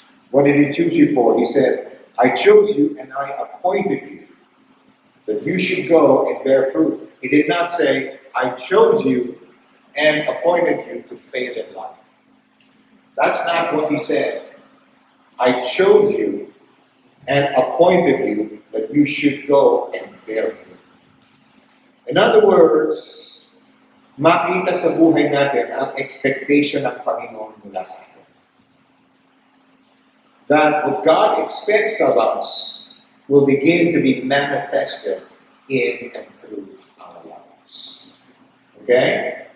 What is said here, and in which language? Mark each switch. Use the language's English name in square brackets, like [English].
[English] What did He choose you for? He says, I chose you and I appointed you that you should go and bear fruit. He did not say, I chose you and appointed you to fail in life. That's not what He said. I chose you and appointed you that you should go and bear fruit. [Filipino] In other words, makita sa buhay natin ang expectation ng Panginoon mula sa atin. [English] that what God expects of us will begin to be manifested in and through our lives. Okay?